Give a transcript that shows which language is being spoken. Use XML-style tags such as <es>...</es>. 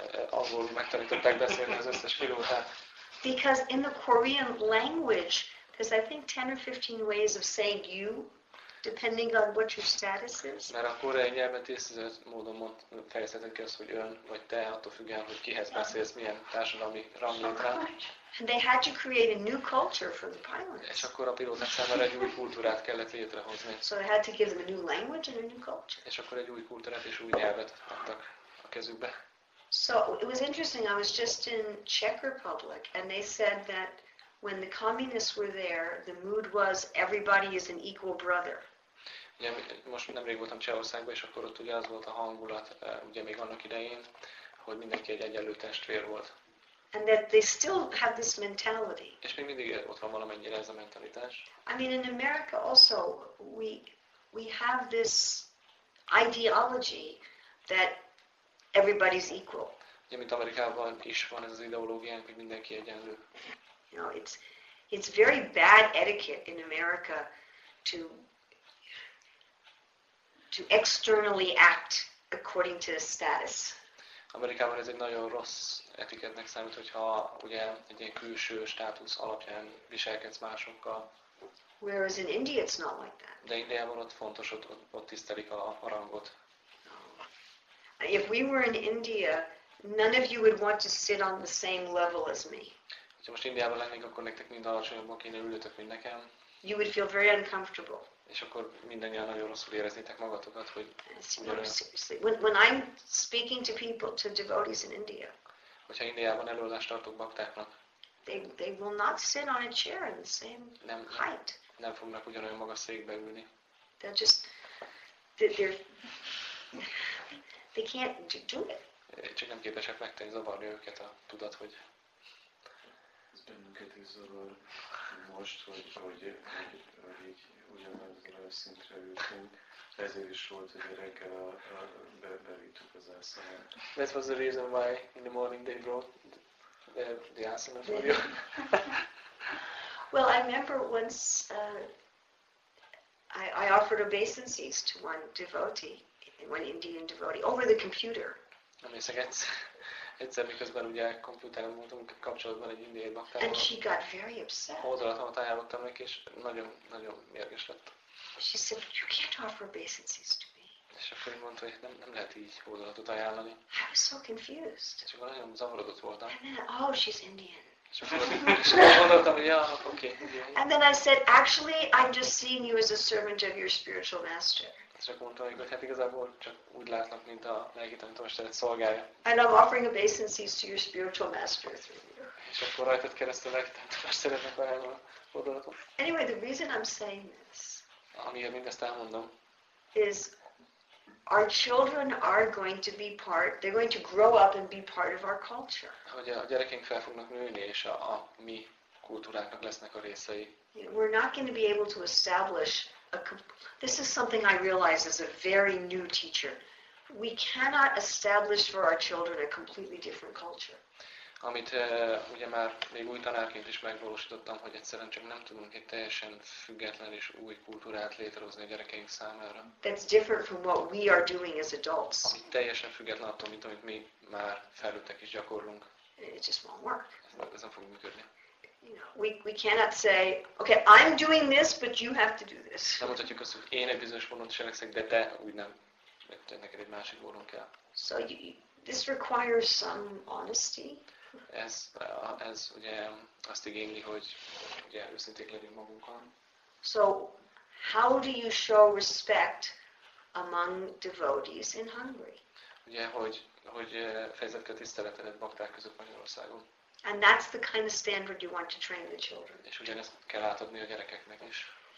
<hu>Hogy megtanították beszélni az összes pilótát.</hu> <en>Because in the Korean language, there's I think 10 or 15 ways of saying you. Depending on what your status is.</en> <hu>Mert a koreai nyelven 10-15 módon fejezheted ki azt, hogy ön vagy te, attól függően, hogy kihez beszélsz, milyen társadalmi rangod van.</hu> <en>And they had to create a new culture for the pilots.</en> <hu>És akkor a pilóták számára egy új kultúrát kellett létrehozni.</hu> <en>So they had to give them a new language and a new culture.</en> <hu>És akkor egy új kultúrát és új nyelvet adtak a kezükbe.</hu> <en>So it was interesting. I was just in Czech Republic, and they said that when the communists were there, the mood was everybody is an equal brother.</en> <hu>Ugye, most nemrég voltam Csehországban, és akkor ott ugye az volt a hangulat, ugye még annak idején, hogy mindenki egy egyenlő testvér volt.</hu> <en>And that they still have this mentality.</en> <hu>És még mindig ott van valamennyire ez a mentalitás.</hu> <en>I mean, in America also, we have this ideology that everybody's equal.</en> <hu>Ugye, mint Amerikában is van ez az ideológiánk, hogy mindenki egyenlő.</hu> <en>You know, it's very bad etiquette in America to to externally act according to the status.</en> <hu>Amerikában ez egy nagyon rossz etiketnek számít, hogyha ugye egy ilyen külső státusz alapján viselkedsz másokkal.</hu> <en>Whereas in India it's not like that.</en> <hu>De Indiában ott fontos, ott tisztelik a rangot.</hu> <en>If we were in India, none of you would want to sit on the same level as me.</en> <hu>Ha most Indiában lennénk, akkor nektek mind alacsonyabban kéne ülnötök, mint nekem.</hu> <en>You would feel very uncomfortable.</en> <hu>És akkor mindannyian nagyon rosszul éreznétek magatokat, hogy</hu> <en>When I'm speaking to people, to devotees in India.</en> <hu>Hogyha Indiában előadást tartok baktáknak.</hu> <en>They will not sit on a chair in the same height.</en> <hu>Nem fognak ugyanolyan magas székbe ülni.</hu> <en>They'll just they can't do it.</en> <hu>Csak nem képesek megtenni, zavarni őket a tudat, hogy ez bennünket is zavar most, hogy így ugyanazra a szintre ültünk. Ezért is volt, hogy reggel bevittük az asanát.</hu> <en>That was the reason why in the morning they brought the asana for you. Well, I remember once I offered obeisances to one devotee, one Indian devotee, over the computer.</en> <hu>Emlékszem, egyszer miközben ugye komputeren voltunk kapcsolatban egy indiai baktával.</hu> <en>And she got very upset.</en> <hu>Oldalatomat ajánlottam neki, és nagyon, nagyon mérges lett.</hu> <en>She said, you can't offer obeisances to me.</en> <hu>És akkor én mondta, hogy nem lehet így oldalatot ajánlani.</hu> <en>I was so confused.</en> <hu>És akkor nagyon zavarodott voltam.</hu> <en>And then, oh, she's Indian.</en> <hu>És akkor gondoltam, hogy ja, oké.</hu> <en>And then I said, actually, I'm just seeing you as a servant of your spiritual master.</en> <hu>És akkor mondta, hogy hát igazából csak úgy látnak, mint a lelki tanítómesteret szolgálja.</hu> <en>And I'm offering obeisances to your spiritual master through you.</en> <hu>És akkor rajtad keresztül a lelki tanítómesteretnek ajánlom a gondolatot.</hu> <en>Anyway, the reason I'm saying this,</en> <hu>amiért mindezt elmondom,</hu> <en>is our children are going to be part, they're going to grow up and be part of our culture.</en> <hu>Hogy a gyerekeink fel fognak nőni, és a mi kultúránknak lesznek a részei.</hu> <en>We're not going to be able to establish this is something I realize as a very new teacher. We cannot establish for our children a completely different culture.</en> <hu>Amit ugye már még új tanárként is megvalósítottam, hogy egyszerűen csak nem tudunk egy teljesen független és új kultúrát létrehozni a gyerekeink számára.</hu> <en>That's different from what we are doing as adults.</en> <hu>Ami teljesen független attól, mint amit mi már felnőttek is gyakorlunk.</hu> <en>It just won't work.</en> <hu>Ez nem fog működni.</hu> <en>We cannot say, okay, I'm doing this, but you have to do this.</en> <hu>Nem mondhatjuk azt, hogy én egy bizonyos vonalat cselekszek, de te úgy nem, mert neked egy másik vonalon kell.</hu> <en>So this requires some honesty.</en> <hu>Ez ugye azt igényli, hogy ugye őszinték legyünk magunkkal.</hu> <en>So how do you show respect among devotees in Hungary?</en> <hu>Ugye, hogy fejezed ki a tiszteletedet bakták között Magyarországon.</hu> <en>And that's the kind of standard you want to train the children.</en> <hu>És ugyanezt kell átadni a gyerekeknek is.</hu>